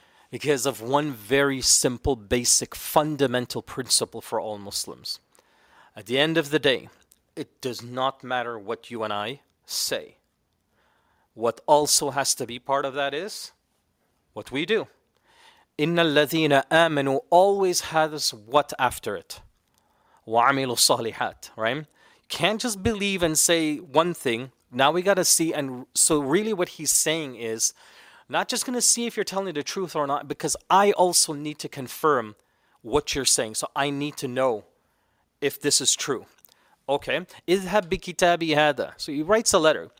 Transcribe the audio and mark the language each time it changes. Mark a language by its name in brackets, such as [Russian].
[English] Because of one very simple, basic, fundamental principle for all Muslims. At the end of the day, it does not matter what you and I say. What also has to be part of that is what we do. [Arabic] إِنَّ الَّذِينَ آمَنُوا [English] always has what after it. [Arabic] وَعَمِلُوا الصَّالِحَاتِ, right? [English] Can't just believe and say one thing. Now we got to see. And so really what he's saying is, not just going to see if you're telling the truth or not, because I also need to confirm what you're saying. So I need to know if this is true. Okay. [Arabic] اِذْهَبْ بِكِتَابِ هَذَا. [English] So he writes a letter.